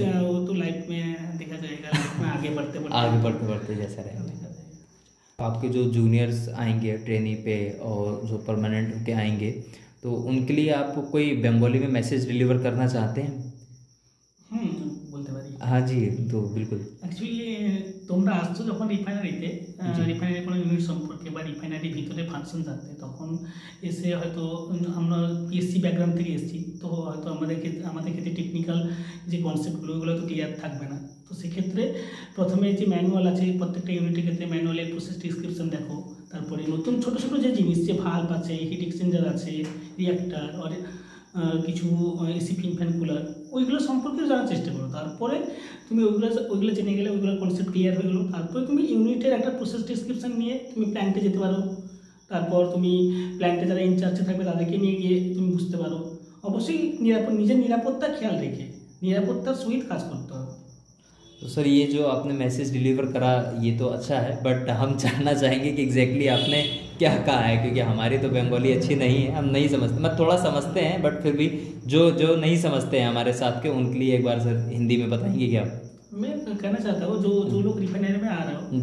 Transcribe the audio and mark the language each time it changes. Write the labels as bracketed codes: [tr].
[hi] वो तो लाइफ में देखा जाएगा, लाइफ में आगे बढ़ते बढ़ते आगे बढ़ते बढ़ते जैसा रहेंगे। आपके जो जूनियर्स आएंगे ट्रेनी पे और जो परमानेंट के आएंगे तो उनके लिए आप कोई बंगाली में मैसेज डिलीवर करना चाहते हैं? हाँ जी, तो बिल्कुल [bn] তোমরা আসছো যখন রিফাইনারিতে, রিফাইনারি কোনো ইউনিট সম্পর্কে বা রিফাইনারি ভিতরে ফাংশন জানতে, তখন এসে হয়তো আমরা পিএসসি ব্যাকগ্রাউন্ড থেকে এসেছি, তো হয়তো আমাদের ক্ষেত্রে টেকনিক্যাল যে কনসেপ্টগুলো ওগুলো তো ক্লিয়ার থাকবে না। তো সেক্ষেত্রে প্রথমে যে ম্যানুয়াল আছে প্রত্যেকটা ইউনিটের ক্ষেত্রে, ম্যানুয়ালের প্রসেস ডিসক্রিপশন দেখো, তারপরে নতুন ছোটো ছোটো যে জিনিস, যে ভাল্ব আছে, হিট এক্সচেঞ্জার আছে, রিয়্যাক্টার আর কিছু এসি ফিন ফ্যান কুলার, ওইগুলো সম্পর্কে জানার চেষ্টা করো। তারপরে তুমি ওইগুলো জেনে গেলে ওইগুলো কনসেপ্ট ক্লিয়ার হয়ে গেলো, তারপরে তুমি ইউনিটের একটা প্রসেস ডিসক্রিপশন নিয়ে তুমি প্ল্যান্টে যেতে পারো। তারপর তুমি প্ল্যান্টে যারা ইনচার্জে থাকবে তাদেরকে নিয়ে গিয়ে তুমি বুঝতে পারো, অবশ্যই নিরাপদ নিজের নিরাপত্তা খেয়াল রেখে নিরাপত্তার সহিত কাজ করতে হবে। [hi] तो सर ये जो आपने मैसेज डिलीवर करा ये तो अच्छा है, बट हम जानना चाहेंगे कि एग्जैक्टली आपने क्या कहा है, क्योंकि हमारी तो बंगाली अच्छी नहीं है, हम नहीं समझते, मतलब थोड़ा समझते हैं बट फिर भी जो जो नहीं समझते हैं हमारे साथ के, उनके लिए एक बार सर हिंदी में बताएंगे क्या? मैं कहना चाहता हूँ जो जो लोग रिफाइनरी में आ रहे हो